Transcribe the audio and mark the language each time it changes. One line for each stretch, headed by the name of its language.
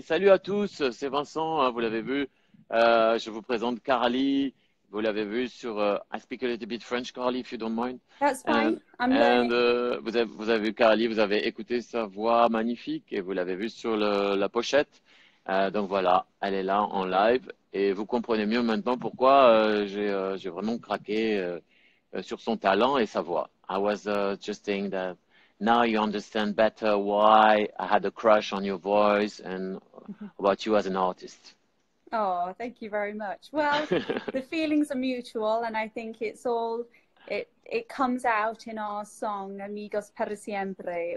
French: Salut à tous, c'est Vincent, vous l'avez vu. Je vous présente Carly. Vous l'avez vu sur...
English: I speak a little bit French, Carly, if you don't mind. That's fine.
French: Vous avez vu Carly, vous avez écouté sa voix magnifique et vous l'avez vu sur la pochette. Donc voilà, elle est là en live. Et vous comprenez mieux maintenant pourquoi j'ai vraiment craqué sur son talent et sa voix.
English: I was just saying that now you understand better why I had a crush on your voice and about you as an artist. Oh, thank you very much. Well, the feelings are mutual, and I think it's all, it comes out in our song, Amigos para Siempre.